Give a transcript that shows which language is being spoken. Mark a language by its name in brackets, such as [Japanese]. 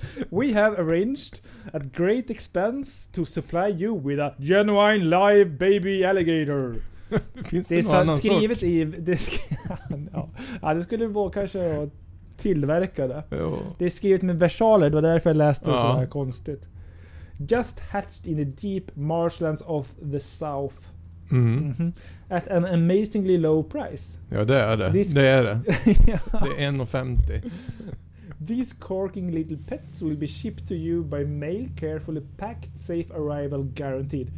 [English] We have arranged at great expense to supply you with a genuine live baby alligator. [Swedish] Finns det någon annan skrivet sort? Det skulle vara kanske att tillverka det. Jo. Det är skrivet med versaler, det var därför jag läste det så här konstigt. [English] Just hatched in the deep marshlands of the south. At an amazingly low price. [Swedish] Ja, det är det. Det är det. Det är 1,50. [English] These corking little pets will be shipped to you by mail, carefully packed, safe arrival guaranteed.